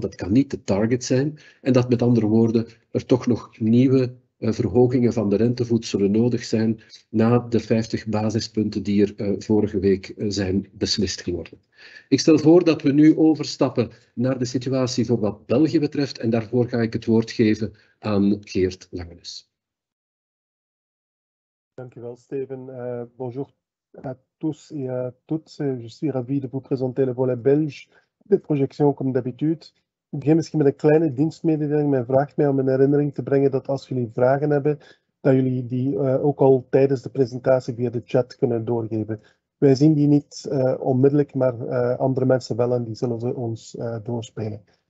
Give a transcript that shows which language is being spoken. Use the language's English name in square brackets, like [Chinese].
[Dutch] Dat kan niet de target zijn. En dat met andere woorden er toch nog nieuwe verhogingen van de rentevoet zullen nodig zijn na de 50 basispunten die er vorige week zijn beslist geworden. Ik stel voor dat we nu overstappen naar de situatie voor wat België betreft en daarvoor ga ik het woord geven aan Geert Langenes. Dankjewel, Steven. [French] Bonjour à tous et à toutes. Je suis ravi de vous présenter le volet belge des projections comme d'habitude. [Dutch] Ik begin misschien met een kleine dienstmededeling. Men vraagt mij om een herinnering te brengen dat als jullie vragen hebben, dat jullie die ook al tijdens de presentatie via de chat kunnen doorgeven. Wij zien die niet onmiddellijk, maar andere mensen wel en die zullen ze ons doorspelen.